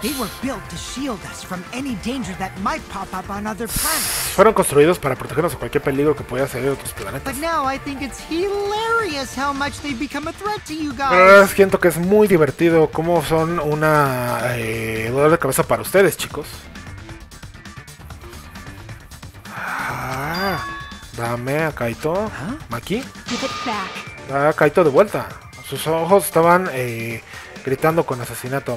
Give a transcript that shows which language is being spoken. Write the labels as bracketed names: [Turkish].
[English] They were built to shield us from any danger that might pop up on other planets. [Spanish] Fueron construidos para protegernos de cualquier peligro que pueda salir de otros planetas. [English] But now I think it's hilarious how much they've become a threat to you guys. [Spanish] Ahora siento que es muy divertido cómo son una dolor de cabeza para ustedes, chicos. Ah, dame a Kaito, Maki. Da a Kaito de vuelta. Sus ojos estaban gritando con asesinato.